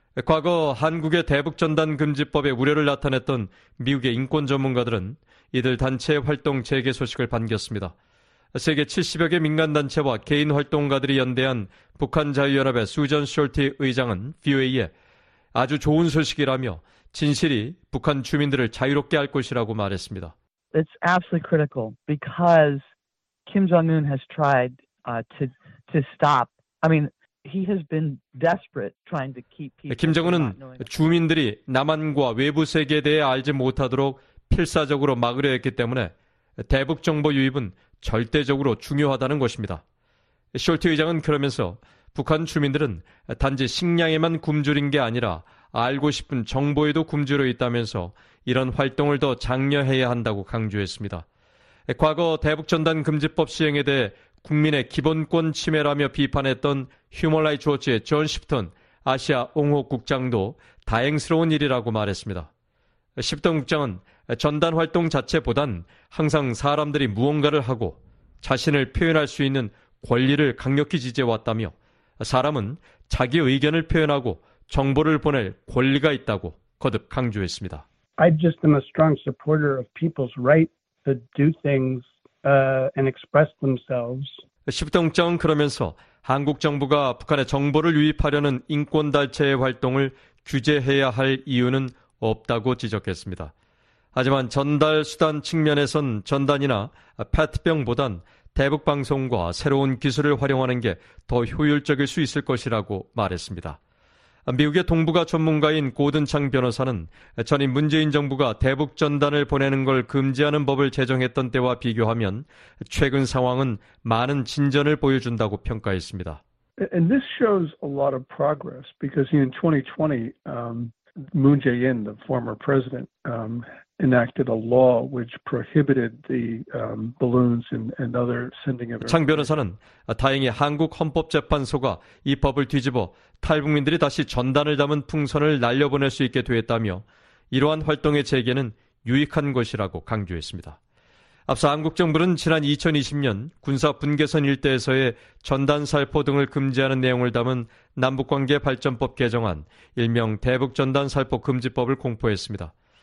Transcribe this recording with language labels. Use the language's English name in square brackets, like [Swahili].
[Korean] 과거 한국의 대북전단금지법에 우려를 나타냈던 미국의 인권 전문가들은 이들 단체의 활동 재개 소식을 반겼습니다. 세계 70여 개 민간단체와 개인활동가들이 연대한 북한자유연합의 수전 숄티 의장은 VOA에 아주 좋은 소식이라며 진실이 북한 주민들을 자유롭게 할 것이라고 말했습니다. [English] It's absolutely critical because Kim Jong-un has tried to stop. I mean, he has been desperate trying to keep people. [Korean] 김정은은 주민들이 남한과 외부 세계에 대해 알지 못하도록 필사적으로 막으려 했기 때문에 대북 정보 유입은 절대적으로 중요하다는 것입니다. 숄트 의장은 그러면서 북한 주민들은 단지 식량에만 굶주린 게 아니라 알고 싶은 정보에도 굶주려 있다면서 이런 활동을 더 장려해야 한다고 강조했습니다. 과거 대북전단금지법 시행에 대해 국민의 기본권 침해라며 비판했던 휴먼라이츠 워치의 존 십턴 아시아 옹호 국장도 다행스러운 일이라고 말했습니다. 십턴 국장은 전단 활동 자체보단 항상 사람들이 무언가를 하고 자신을 표현할 수 있는 권리를 강력히 지지해왔다며 사람은 자기 의견을 표현하고 정보를 보낼 권리가 있다고 거듭 강조했습니다. [English] I've just been a strong supporter of people's right to do things and express themselves. [Korean] 십덩 정은 그러면서 한국 정부가 북한의 정보를 유입하려는 인권단체의 활동을 규제해야 할 이유는 없다고 지적했습니다. 하지만 전달 수단 측면에선 전단이나 페트병보단 대북 방송과 새로운 기술을 활용하는 게 더 효율적일 수 있을 것이라고 말했습니다. 미국의 동북아 전문가인 고든창 변호사는 전임 문재인 정부가 대북 전단을 보내는 걸 금지하는 법을 제정했던 때와 비교하면 최근 상황은 많은 진전을 보여준다고 평가했습니다. [English] And this shows a lot of progress because in 2020, Moon Jae-in, the former president, enacted a law which prohibited the balloons and other sending of. [Korean] 창 변호사는 다행히 한국 헌법재판소가 이 법을 뒤집어 탈북민들이 다시 전단을 담은 풍선을 날려보낼 수 있게 되었다며 이러한 활동의 재개는 유익한 것이라고 강조했습니다. 앞서 한국 정부는 지난 2020년 군사 분계선 일대에서의 전단 살포 등을 금지하는 내용을 담은 남북관계발전법 개정안, 일명 대북전단 살포 금지법을 공포했습니다.